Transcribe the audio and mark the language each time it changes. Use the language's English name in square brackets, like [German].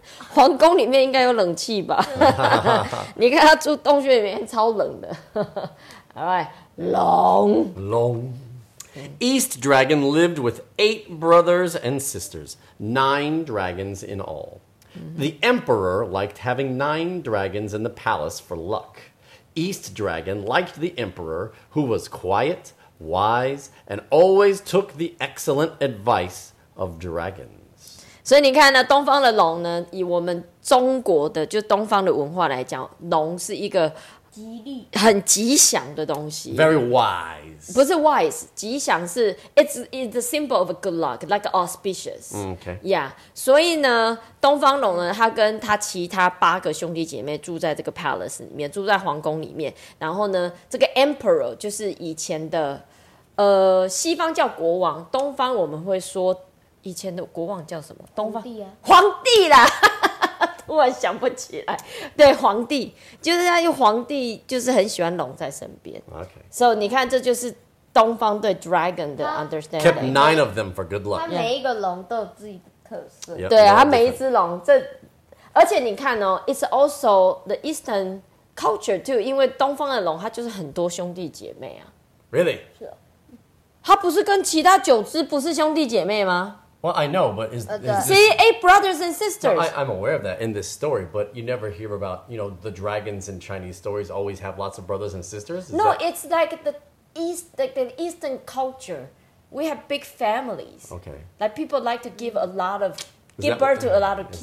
[Chinese] 皇宫里面应该有冷气吧？你看他住洞穴里面超冷的。 [English] All right. Long. East Dragon lived with 8 brothers and sisters, 9 dragons in all.、Mm-hmm. The emperor liked having 9 dragons in the palace for luck. East Dragon liked the emperor, who was quiet, wise, and always took the excellent advice of dragons. [Chinese] 所以你看呢，东方的龙呢，以我们中国的就东方的文化来讲，龙是一个很吉祥的东西。 [English] Very wise. [Chinese] 不是 wise， 吉祥是 [English] it's a symbol of good luck, like auspicious. Okay. Yeah. [Chinese] 所以呢，东方龙呢，他跟他其他八个兄弟姐妹住在这个 palace 里面，住在皇宫里面。然后呢，这个 emperor 就是以前的西方叫国王，东方我们会说。以前的国王叫什么？东方皇帝啊，皇帝啦，突然想不起来。对，皇帝就是他，因为皇帝就是很喜欢龙在身边。 [English] Okay. [Chinese] So 你看，这就是东方对 dragon 的 understanding。 [English] Kept 9 of them for good luck。 [Chinese] 他每一个龙都有自己的特色。 [English] Yep, [Chinese] 对啊，他每一只龙，这而且你看哦 ， [English] it's also the eastern culture too， [Chinese] 因为东方的龙它就是很多兄弟姐妹啊。 [English] Really？ [Chinese] 是、哦。他不是跟其他九只不是兄弟姐妹吗？ [English] Well, I know, but is this... See, 8 brothers and sisters. No, I'm aware of that in this story, but you never hear about, you know, the dragons in Chinese stories always have lots of brothers and sisters? No, it's like the Eastern culture. We have big families. Okay. Like people like to give birth to a lot of kids.